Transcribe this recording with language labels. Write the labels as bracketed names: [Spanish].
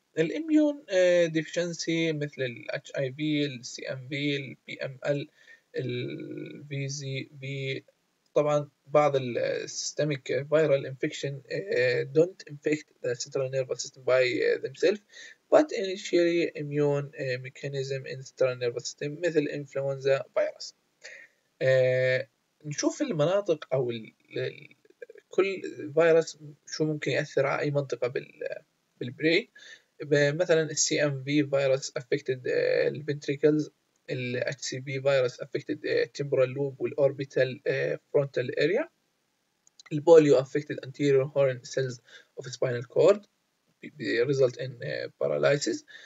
[English] الاميون ديفيشنسي مثل ال HIV, ال CMV, ال PML, ال VZV, طبعا بعض ال systemic viral infection don't infect the central nervous system by themselves, but initially immune mechanism in central nervous system مثل influenza virus. [Arabic] نشوف المناطق او كل فيروس شو ممكن يأثر على اي منطقة بالبرين. [English] مثلا CMV virus affected the ventricles, ال HCV virus affected temporal lobe والorbital frontal area, البوليو affected anterior horn cells of spinal cord result in paralysis.